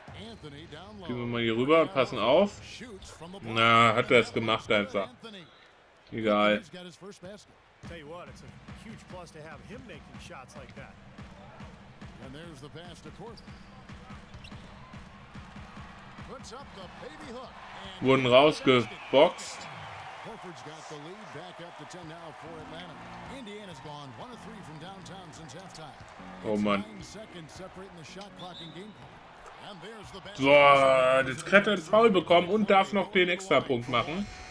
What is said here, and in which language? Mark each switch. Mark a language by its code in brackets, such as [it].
[de] Anthony [en] down low. [de] Gehen wir mal hier rüber und passen auf. Na, hat er es gemacht einfach. Egal. [en] Tell you what, it's a huge plus to have him making shots like that. And there's the pass to Corbin. Puts up the baby hook. [de] Wurden rausgeboxt. [en] Corford's got the lead back up to 10 now for Atlanta. Indiana's gone 1-3 from downtown since halftime. Oh man. Seconds separating the shot clock and game clock. And there's the best. [de] So, das Kret hat Foul bekommen und darf noch den extra Punkt machen.